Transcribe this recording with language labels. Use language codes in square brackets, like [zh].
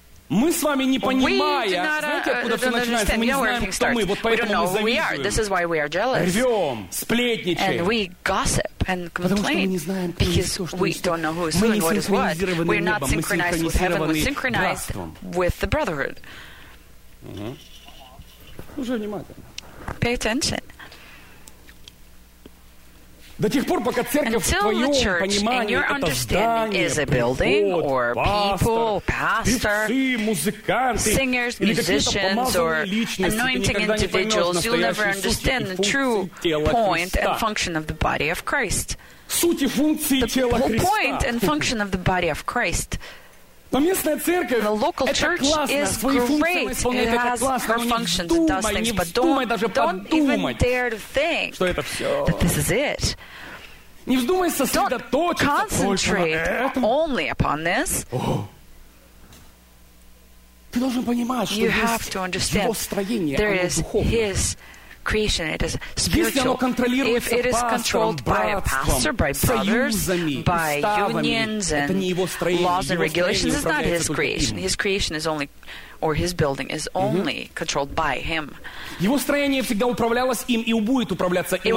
[ru] Мы с вами не понимая, знаете, откуда все начинается, мы не знаем, кто мы, вот поэтому мы завидуем, рвем, сплетничаем. [en] And complain because we don't know who is doing what is what. We're not synchronized with heaven. We're synchronized with the brotherhood. Pay attention. Until the church in your understanding is a building or people, pastor, singers, musicians, or anointing individuals, you'll never understand the true point and function of the body of Christ. The whole point and function of the body of Christ. The local church is great. It has her functions, it does things, but don't even dare to think that this is it. [ru] Не вздумай сосредоточиться [en] only upon this. [ru] Ты должен понимать, что [en] you have to understand there is his creation, it is spiritual. If it is controlled by a pastor, by brothers, by unions and laws and regulations, it's not his creation. His creation is only, or his building is only controlled by him. [ru] Его строение всегда управлялось им и будет управляться им.